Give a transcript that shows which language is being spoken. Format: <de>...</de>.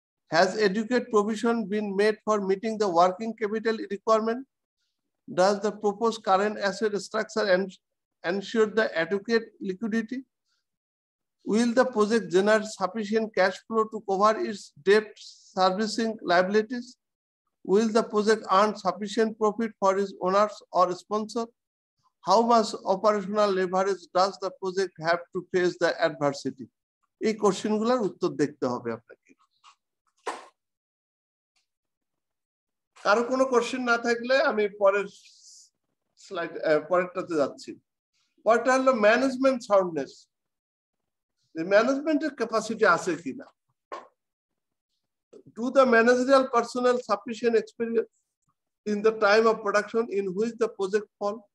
<en>Has adequate provision been made for meeting the working capital requirement does the propose current asset structure ensure the adequate liquidity Will the project generate sufficient cash flow to cover its debt servicing liabilities? Will the project earn sufficient profit for its owners or sponsor? How much operational leverage does the project have to face the adversity?</en> <bn>এই কোশ্চেনগুলোর উত্তর দেখতে হবে আপনাকে। কারো কোনো question না থাকলে আমি পরের স্লাইড পরেরটাতে যাচ্ছি। পরেরটা হলো ম্যানেজমেন্ট সাউন্ডনেস। ম্যানেজমেন্টের ক্যাপাসিটি আছে কিনা</bn> <en>to the managerial personnel sufficient experience in the time of production in which the project fall</en>